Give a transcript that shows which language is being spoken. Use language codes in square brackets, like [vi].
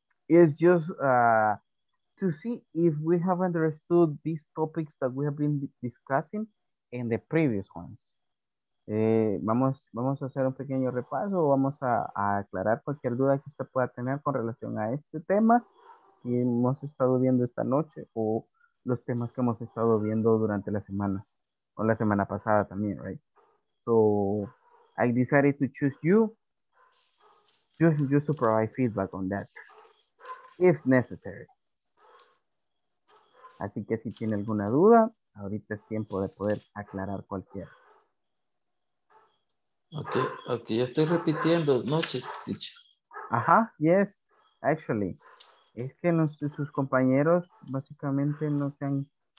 [en] It's just to see if we have understood these topics that we have been discussing in the previous ones. [es] Vamos a hacer un pequeño repaso, vamos a aclarar cualquier duda que usted pueda tener con relación a este tema que hemos estado viendo esta noche o los temas que hemos estado viendo durante la semana o la semana pasada también, right? [en] So, I decided to choose you just to provide feedback on that if necessary. [es] Así que si tiene alguna duda, ahorita es tiempo de poder aclarar cualquier. Okay, yo estoy repitiendo noche, teacher. [en] Ajá, yes, actually. [es] Es que sus compañeros básicamente no se han...